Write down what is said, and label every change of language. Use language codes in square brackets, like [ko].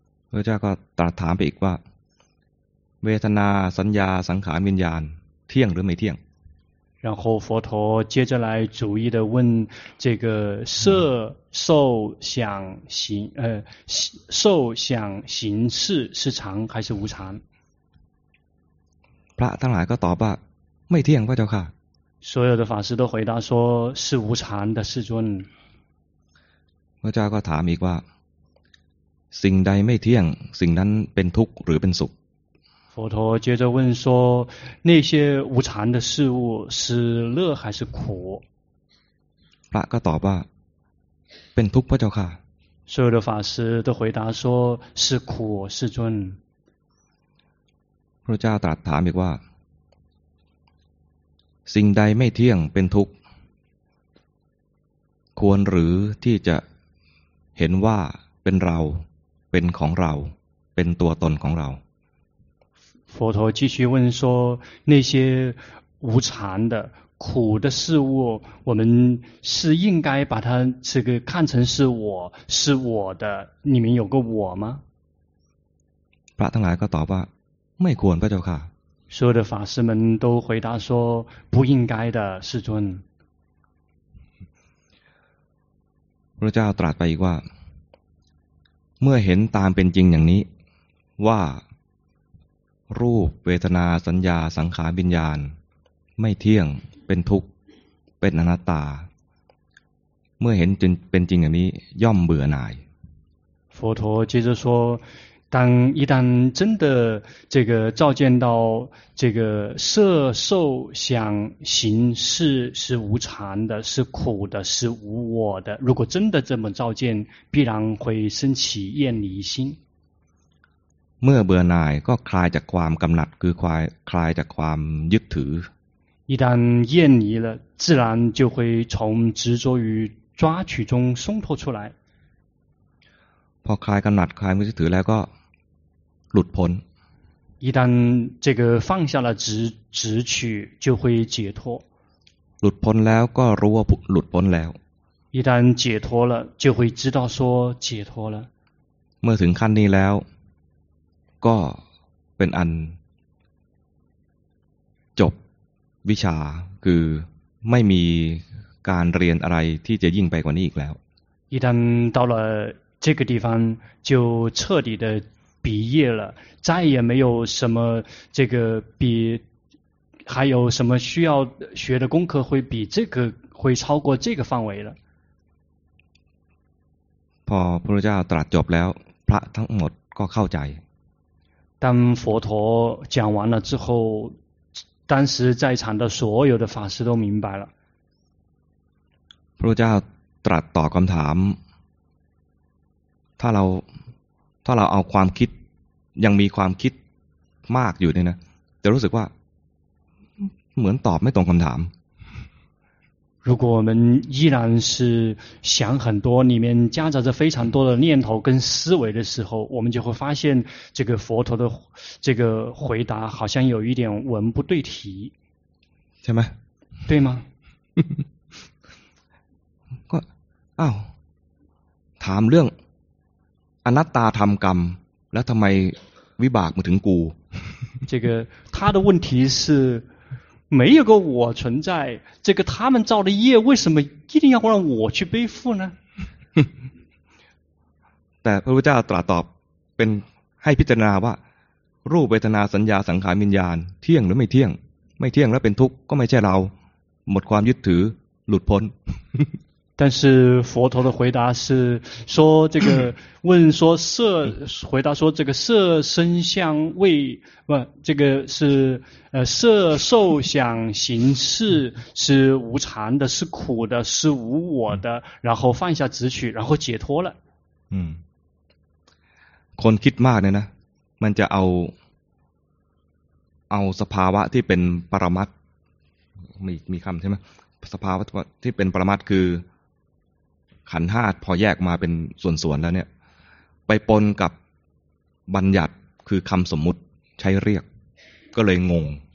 [th] พระเจ้าก็ตรัสถามไปอีกว่าเวทนาสัญญาสังขารวิญญาณเที่ยงหรือไม่เที่ยง [zh] 然后佛陀接着来逐一的问这个色受想行受想行识是常还是无常 [th] พระทั้งหลายก็ตอบว่า ไม่เที่ยงพระเจ้าค่ะ [zh] 所有的法师都回答说是无常的世尊 [th] พระเจ้าก็ถามอีกว่าสิ่งใดไม่เที่ยงสิ่งนั้นเป็นทุกข์หรือเป็นสุข [zh] 佛陀接着问说那些无常的事物是乐还是苦 [th] พระก็ตอบว่าเป็นทุกข์พระเจ้าค่ะ [zh] 所有的法师都回答说是苦世尊 [th] พระเจ้าตรัสถามอีกว่าสิ่งใดไม่เที่ยงเป็นทุกข์ควรหรือที่จะเห็นว่าเป็นเราเป็นของเราเป็นตัวตนของเรา [zh] 佛陀继续问说那些无常的苦的事物我们是应该把它这个看成是我是我的里面有个我吗 [th] พระทั้งหลายก็ตอบว่าไม่ควรพระเจ้าค่ะ [zh] 所有的法师们都回答说不应该的世尊 [th] พระเจ้าตรัสไปอีกว่าเมื่อเห็นตามเป็นจริงอย่างนี้ว่ารูปเวทนาสัญญาสังขารวิญญาณไม่เที่ยงเป็นทุกข์เป็นอนัตตาเมื่อเห็นจริงเป็นจริงอย่างนี้ย่อมเบื่อหน่าย [zh] 佛陀接着说当一旦真的这个照见到这个色受想行识是无常的是苦的是无我的如果真的这么照见必然会升起厌离心 [th] เมื่อเบื่อหน่ายก็คลายจากความกำหนัดคือคลายจากความยึดถือ [zh] 一旦厌离了自然就会从执着于抓取中松脱出来 [th] พอคลายกำหนัดคลายยึดถือแล้วก็หลุดพ้น [zh] 一旦这个放下了执取就会解脱 [th] หลุดพ้นแล้วก็รู้ว่าหลุดพ้นแล้ว [zh] 一旦解脱了就会知道说解脱了 [th] เมื่อถึงขั้นนี้แล้วก็เป็นอันจบวิชาคือไม่มีการเรียนอะไรที่จะยิ่งไปกว่านี้อีกแล้ว [zh] 一旦到了这个地方就彻底的毕业了再也没有什么这个比还有什么需要学的功课会比这个会超过这个范围了 [th] พอพระพุทธเจ้าตรัสจบแล้วพระทั้งหมดก็เข้าใจ [zh] 当佛陀讲完了之后当时在场的所有的法师都明白了 [th] พระเจ้าตรัสต่อคำถามถ้าเราเอาความคิดยังมีความคิดมากอยู่เนี่ยนะจะรู้สึกว่าเหมือนตอบไม่ตรงคำถาม [zh] 如果我们依然是想很多里面夹杂着非常多的念头跟思维的时候我们就会发现这个佛陀的这个回答好像有一点文不对题对吗对吗 [th] ก็ ถามเรื่องอนัตตาทำกรรมแล้วทำไมวิบากมาถึงกู [zh] 这个他的问题是没有个我存在这个他们造的业为什么一定要让我去背负呢 [th] แต่พระพุทธเจ้าตรัสตอบเป็นให้พิจารณาว่ารูปเวทนาสัญญาสังขารวิญญาณเที่ยงหรือไม่เที่ยงไม่เที่ยงแล้วเป็นทุกข์ก็ไม่ใช่เราหมดความยึดถือหลุดพ้น [zh] 但是佛陀的回答是说这个问说色回答说这个色身相味不这个是色受想行识是无常的是苦的是无我的然后放下执取然后解脱了 [th] คนคิดมากเนี่ยนะมันจะเอาสภาวะที่เป็นปรมัตถ์มีคำใช่ไหมสภาวะที่เป็นปรมัตถ์คือขันธ์ 5พอแยกมาเป็นส่วนๆแล้วเนี่ยไปปนกับบัญญัติคือคำสมมุติใช้เรียกก็เลยงง